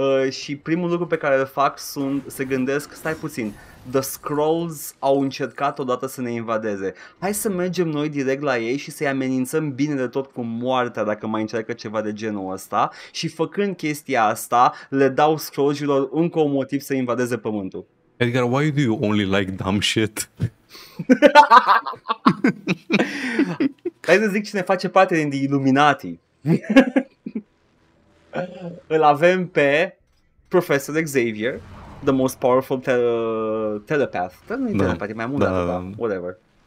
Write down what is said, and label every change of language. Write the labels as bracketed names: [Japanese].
[Romanian] Și primul lucru pe care îl fac sunt, se gândesc, stai puțin, the Skrulls au încercat odată să ne invadeze. Hai să mergem noi direct la ei și să-i amenințăm bine de tot cu moartea dacă mai încearcă ceva de genul ăsta. Și făcând chestia asta, le dau Skrullsilor încă un motiv să invadeze pământul. [English] Edgar, why do you only like dumb shit? [Romanian] Hai să zic cine face parte din The Illuminati. Îl avem pe Professor Xavier, [English] the most powerful telepath. [Romanian] Dar nu e telepath, e mai mult dată, [English] whatever.